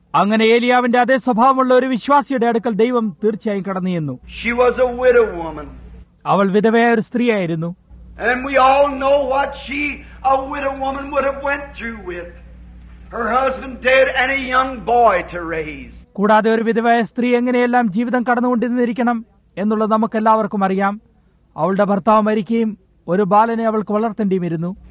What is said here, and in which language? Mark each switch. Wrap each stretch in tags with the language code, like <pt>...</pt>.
<ml>അങ്ങനെ ഏലിയാവിന്റെ അതേ സ്വഭാവമുള്ള ഒരു വിശ്വാസിയുടെ അടുക്കൽ ദൈവം തീർച്ചയായും കടന്നു ചെന്നു.</ml> <en>She was a widow woman.</en> <ml>അവൾ വിധവയായ ഒരു സ്ത്രീയായിരുന്നു.</ml> <en>And we all know what she, a widow woman, would have went through with. Her husband dead and a young boy to raise.</en> <ml>കൂടാതെ ഒരു വിധവയായ സ്ത്രീ എങ്ങനെയെല്ലാം ജീവിതം കടന്നുകൊണ്ടിരിക്കണം എന്നുള്ളത് നമുക്കെല്ലാവർക്കും അറിയാം. അവളുടെ ഭർത്താവ് മരിക്കുകയും ഒരു ബാലനെ അവൾക്ക് വളർത്തേണ്ടിയിരുന്നു.</ml>